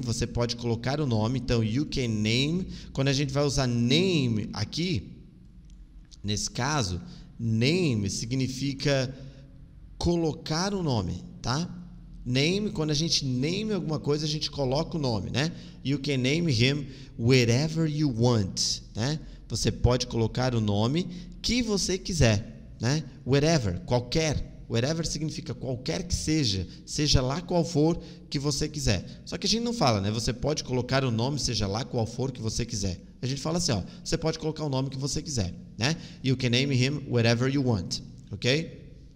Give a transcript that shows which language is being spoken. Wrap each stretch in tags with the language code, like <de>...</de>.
<pt>Você pode colocar o nome. Então,</pt> <en>you can name.</en> <pt>Quando a gente vai usar name aqui, nesse caso, name significa colocar o nome, tá? Name, quando a gente name alguma coisa, a gente coloca o nome, né?</pt> <en>You can name him whatever you want, né?</en> <pt>Você pode colocar o nome que você quiser, né? Whatever, qualquer. Whatever significa qualquer que seja, seja lá qual for que você quiser. Só que a gente não fala, né? Você pode colocar o nome, seja lá qual for que você quiser. A gente fala assim, ó. Você pode colocar o nome que você quiser, né?</pt> <en>You can name him whatever you want, ok?</en>